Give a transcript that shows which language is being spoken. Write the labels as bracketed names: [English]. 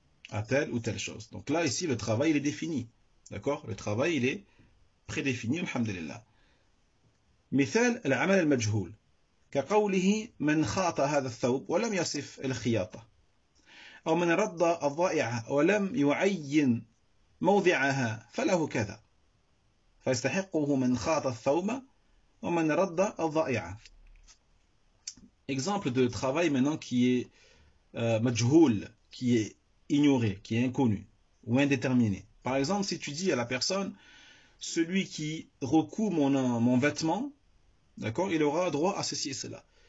[French] À telle ou telle chose. Donc là, ici, le travail, il est défini, d'accord? Le travail, il est prédéfini, alhamdulillah. [Arabic] مثال العمل المجهول كقوله من خاط هذا الثوب ولم يصف الخياطة أو من الردة الضائعة ولم يعين موضعها فله كذا، فيستحقه من خاط الثوب ومن رد الضائعة. [French] Exemple de travail maintenant qui est majhoul, qui est ignoré, qui est inconnu ou indéterminé. Par exemple, si tu dis à la personne, celui qui recoud mon vêtement, d'accord, il aura droit à ceci et cela.